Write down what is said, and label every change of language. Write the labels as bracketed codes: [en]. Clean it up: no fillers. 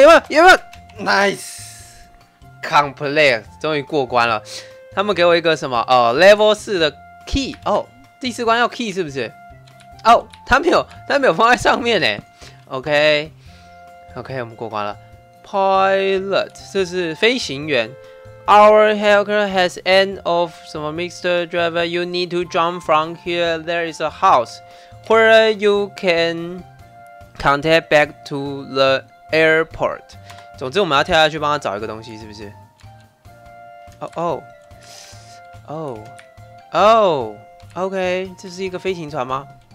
[zh] 有没有？有没有 ？Nice， complete， 终于过关了。他们给我一个什么？ level 4的 key。哦，第四关要 key 是不是？哦，他没有放在上面呢。 OK， 我们过关了。 Pilot， 这是飞行员。 [en] Our helicopter has end of 什么 Mr. Driver， you need to jump from here. There is a house where you can contact back to the Airport， [zh] 总之我们要跳下去帮他找一个东西，是不是？哦哦哦哦 ，OK， 这是一个飞行船吗？